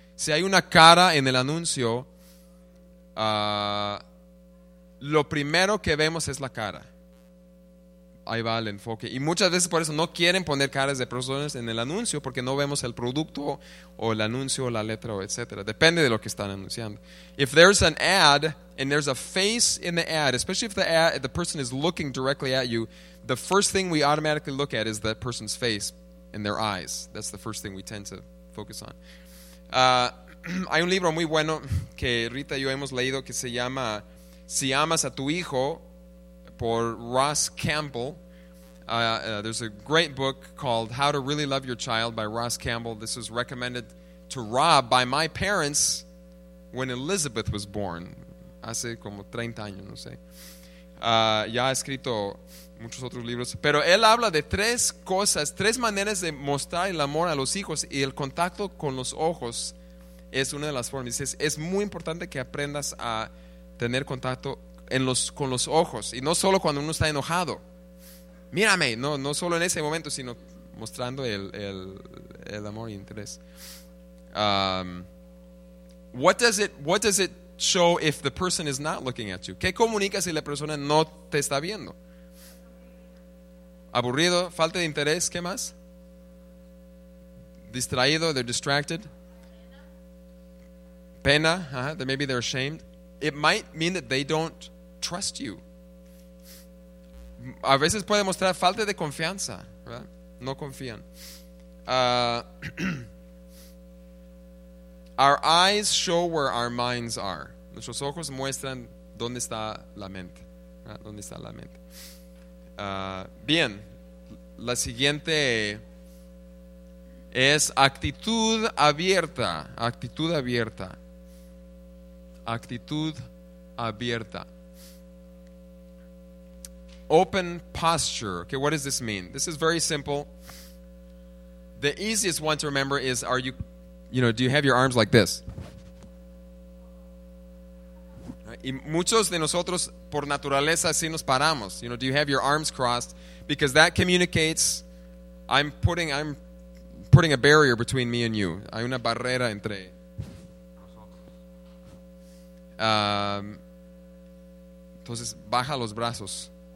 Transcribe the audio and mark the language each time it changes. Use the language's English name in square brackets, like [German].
[Spanish] Si hay una cara en el anuncio, lo primero que vemos es la cara. Ahí va el enfoque. Y muchas veces por eso no quieren poner caras de personas en el anuncio, porque no vemos el producto o el anuncio o la letra o etcétera. Depende de lo que están anunciando. [English] If there's an ad and there's a face in the ad, especially if the person is looking directly at you, the first thing we automatically look at is that person's face. In their eyes. That's the first thing we tend to focus on. [Spanish] Hay un libro muy bueno que Rita y yo hemos leído que se llama Si Amas a Tu Hijo por Ross Campbell. [English] There's a great book called How to Really Love Your Child by Ross Campbell. This was recommended to Rob by my parents when Elizabeth was born. [Spanish] Hace como 30 años, no sé. Ya ha escrito muchos otros libros, pero él habla de tres cosas, tres maneras de mostrar el amor a los hijos, y el contacto con los ojos es una de las formas. Dice, es muy importante que aprendas a tener contacto con los ojos, y no solo cuando uno está enojado. Mírame, no solo en ese momento, sino mostrando el amor y interés. [English] What does it show if the person is not looking at you? [Spanish] ¿Qué comunica si la persona no te está viendo? Aburrido, falta de interés, ¿qué más? Distraído, [English] they're distracted. Pena, uh-huh. Maybe they're ashamed. It might mean that they don't trust you. [Spanish] A veces puede mostrar falta de confianza, ¿verdad? No confían. [English] Our eyes show where our minds are. [Spanish] Nuestros ojos muestran dónde está la mente, ¿verdad? Dónde está la mente. Bien. La siguiente es actitud abierta, actitud abierta, actitud abierta. [English] open posture. Okay, what does this mean? This is very simple. The easiest one to remember is, are you, you know, do you have your arms like this? [Spanish] Y muchos de nosotros, por naturaleza, así nos paramos. [English] You know, do you have your arms crossed? Because that communicates, I'm putting a barrier between me and you. [Spanish] Hay una barrera entre entonces baja los brazos.